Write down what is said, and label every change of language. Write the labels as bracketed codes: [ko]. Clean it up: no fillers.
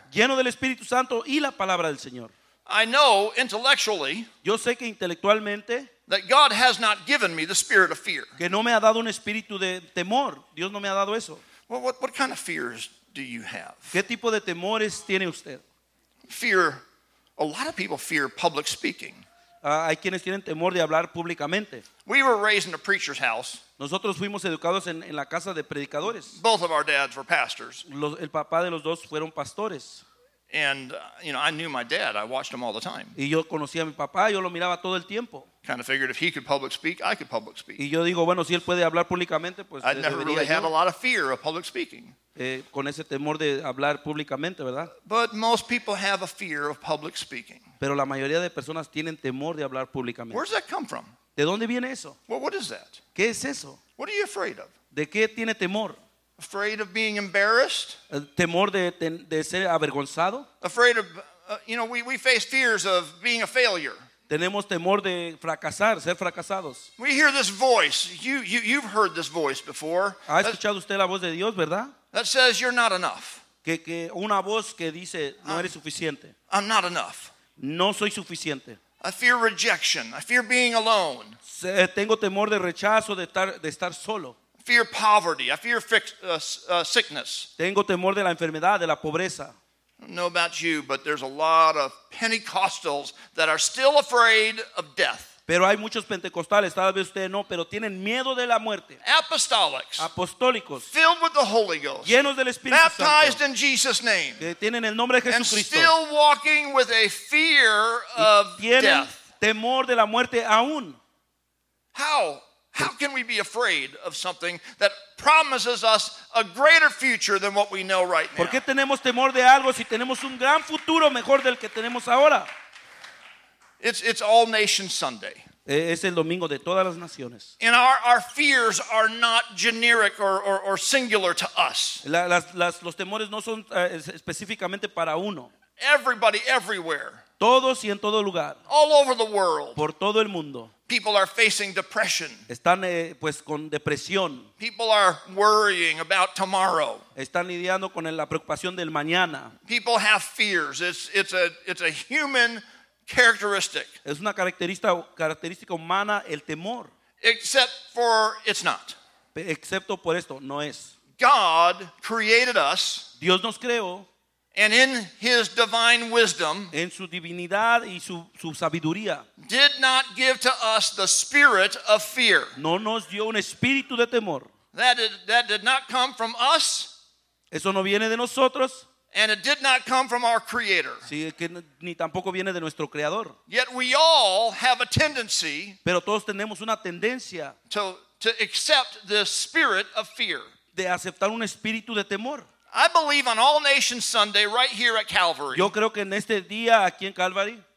[es] Lleno del Espíritu Santo y la palabra del Señor. [en] I know intellectually, [es] yo sé que intelectualmente, [en] that God has not given me the spirit of fear. [es] Que no me ha dado un espíritu de temor. Dios no me ha dado eso. [en] Well, what kind of fears do you have? [es] ¿Qué tipo de temores tiene usted? [en] Fear, a lot of people fear public speaking. [es] Hay quienes tienen temor de hablar públicamente. [en] We were raised in a preacher's house. [es] Nosotros fuimos educados en la casa de predicadores. [en] Both of our dads were pastors. [es] El papá de los dos fueron pastores. [en] And you know, I knew my dad. I watched him all the time. [es] Y yo conocía a mi papá. Yo lo miraba todo el tiempo. [en] Kind of figured if he could public speak, I could public speak. [es] Y yo digo, bueno, si él puede hablar públicamente, pues. [en] I never really had a lot of fear of public speaking. [es] Con ese temor de hablar públicamente, ¿verdad? [en] But most people have a fear of public speaking. [es] Pero la mayoría de personas tienen temor de hablar públicamente. [en] Where does that come from? [es] ¿De dónde viene eso? [en] Well, what is that? [es] ¿Qué es eso? [en] What are you afraid of? [es] ¿De qué tiene temor? [en] Afraid of being embarrassed? [es] Temor de ser avergonzado? [en] Afraid of, you know, we face fears of being a failure. [es] Tenemos temor de fracasar, ser fracasados. [en] We hear this voice. You've heard this voice before. [es] ¿Ha escuchado usted la voz de Dios, verdad? [en] That says you're not enough. [es] Que una voz que dice no eres suficiente. [en] I'm not enough. [es] No soy suficiente. [en] I fear rejection. I fear being alone. [es] Tengo temor de rechazo, de estar solo. [en] I fear poverty. I fear sickness. [es] Tengo temor de la enfermedad, de la pobreza. [en] I don't know about you, but there's a lot of Pentecostals that are still afraid of death. [es] Pero hay muchos pentecostales, tal vez usted no, pero tienen miedo de la muerte. [en] Apostolics, [es] apostólicos, [en] filled with the Holy Ghost, [es] llenos del Espíritu [en] baptized [es] Santo, [en] baptized in Jesus' name, [es] que tienen el nombre de Jesucristo, [en] and still walking with a fear of [es] tienen [en] death. [es] Temor de la muerte aún. [en] How? How can we be afraid of something that promises us a greater future than what we know right now? [es] ¿Por qué tenemos temor de algo si tenemos un gran futuro mejor del que tenemos ahora? [en] It's All Nations Sunday. [es] Es el domingo de todas las naciones. [en] And our fears are not generic or singular to us. [es] Los temores no son específicamente para uno. [en] Everybody everywhere. [es] Todos y en todo lugar. [en] All over the world. [es] Por todo el mundo. [en] People are facing depression. [es] Están pues con depresión. [en] People are worrying about tomorrow. [es] Están lidiando con la preocupación del mañana. [en] People have fears. It's a human characteristic. [es] Es una característica humana el temor. [en] Except for it's not. [es] Excepto por esto, no es. [en] God created us. [es] Dios nos creó. [en] And in his divine wisdom, [es] en su divinidad y su sabiduría, [en] did not give to us the spirit of fear. [es] No nos dio un espíritu de temor. [en] That did not come from us. [es] Eso no viene de nosotros. [en] And it did not come from our creator. [es] Sí, que ni tampoco viene de nuestro creador. [en] Yet we all have a tendency. [es] Pero todos tenemos una tendencia. [en] To accept the spirit of fear. [es] De aceptar un espíritu de temor. [en] I believe on All Nations Sunday right here at Calvary. [es] Yo creo que en este día aquí en Calvary.